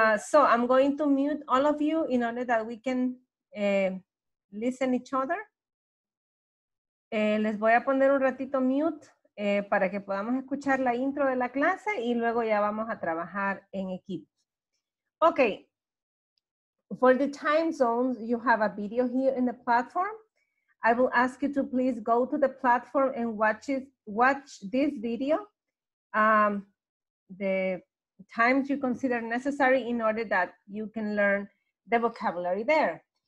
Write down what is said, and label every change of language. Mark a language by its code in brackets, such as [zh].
[en] So I'm going to mute all of you in order that we can... listen each other. [es] Les voy a poner un ratito mute para que podamos escuchar la intro de la clase y luego ya vamos a trabajar en equipo. [en] Okay. For the time zones, you have a video here in the platform. I will ask you to please go to the platform and watch this video. The times you consider necessary in order that you can learn the vocabulary there.